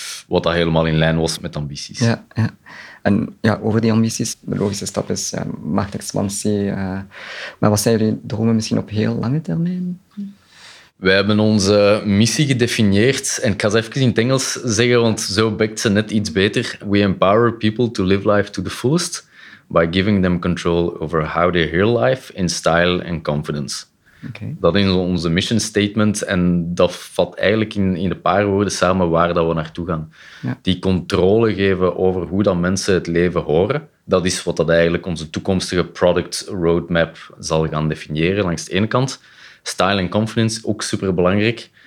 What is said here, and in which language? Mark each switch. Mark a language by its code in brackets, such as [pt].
[nl] Wat dat helemaal in lijn was met ambities. Ja, ja. En ja, over die ambities, de logische stap is marktexpansie. Maar wat zijn jullie dromen misschien op heel lange termijn? Wij hebben onze missie gedefinieerd. En ik ga ze even in het Engels zeggen, want zo bekt ze net iets beter. [en] We empower people to live life to the fullest by giving them control over how they hear life in style and confidence. Okay. [nl] Dat is onze mission statement en dat vat eigenlijk in een paar woorden samen waar dat we naartoe gaan. Ja. Die controle geven over hoe dat mensen het leven horen, Dat is wat dat eigenlijk onze toekomstige product roadmap zal gaan definiëren. Langs de ene kant, style en confidence, ook superbelangrijk.